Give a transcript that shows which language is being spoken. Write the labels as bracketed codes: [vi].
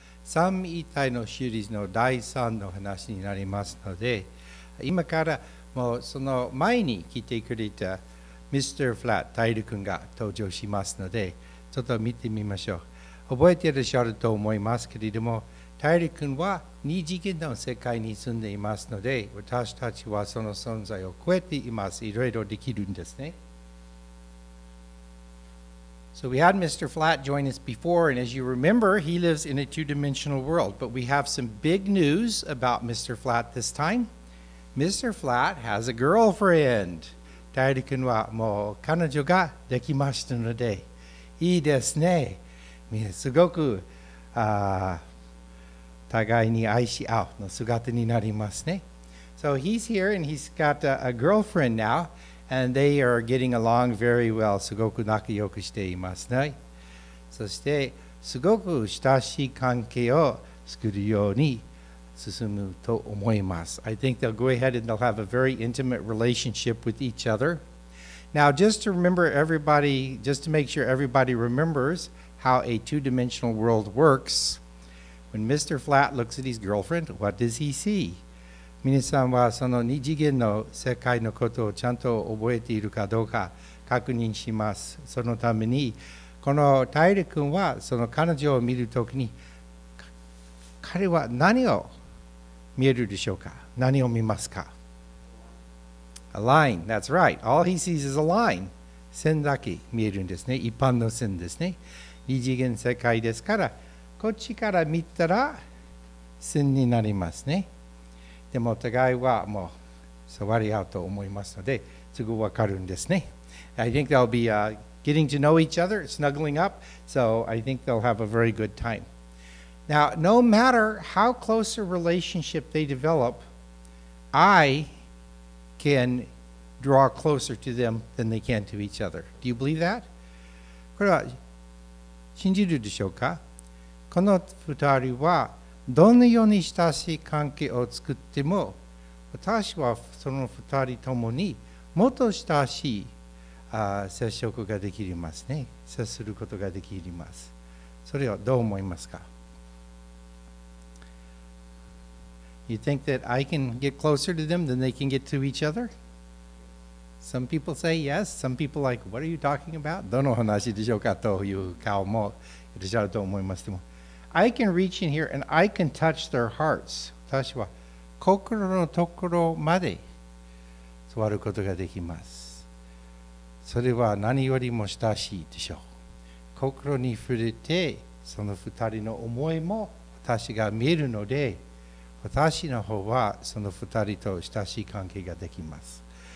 [ja] 三位一体のシリーズの第3の話になりますので、今からもうその前に来てくれたミスターフラット大陸君が登場しますので、ちょっと見てみましょう。覚えていらっしゃると思いますけれども、大陸君は二次元の世界に住んでいますので、私たちはその存在を超えています。いろいろできるんですね。 [en] So we had Mr. Flat join us before, and as you remember, he lives in a two-dimensional world. But we have some big news about Mr. Flat this time. Mr. Flat has a girlfriend. [ja] 大陸君はもう彼女ができましたので、いいですね。すごく、互いに愛し合うの姿になりますね。 [en] So he's here and he's got a girlfriend now. And they are getting along very well. [ja] すごく仲良くしていますね。そしてすごく親しい関係を作るように進むと思います。 [en] I think they'll go ahead and they'll have a very intimate relationship with each other. Now, just to remember everybody, just to make sure everybody remembers how a two-dimensional world works, when Mr. Flat looks at his girlfriend, what does he see? [ja] 皆さんはその二次元の世界のことをちゃんと覚えているかどうか確認します。そのためにこの大陸君はその彼女を見るときに、彼は何を見えるでしょうか？何を見ますか？ [en] A line, that's right. All he sees is a line. [ja] 線だけ見えるんですね。一般の線ですね。二次元世界ですから、こっちから見たら線になりますね。でも互いはもう触り合うと思いますので、すぐ分かるんですね。 [en] I think they'll be getting to know each other, snuggling up, so I think they'll have a very good time. Now, no matter how close a relationship they develop, I can draw closer to them than they can to each other. Do you believe that? [ja] これは信じるでしょうか？この二人はどのように親しい関係を作っても、私はその二人ともにもっと親しい接触ができますね。接することができます。それはどう思いますか？ [en] You think that I can get closer to them than they can get to each other? Some people say yes. Some people like, what are you talking about? [ja] どの話でしょうかという顔もいらっしゃると思います。でも [en] I can reach in here and I can touch their hearts. [ja] 私は心のところまで触ることができます。それは何よりも親しいでしょう。心に触れてその二人の思いも私が見えるので、私の方はその二人と親しい関係ができます。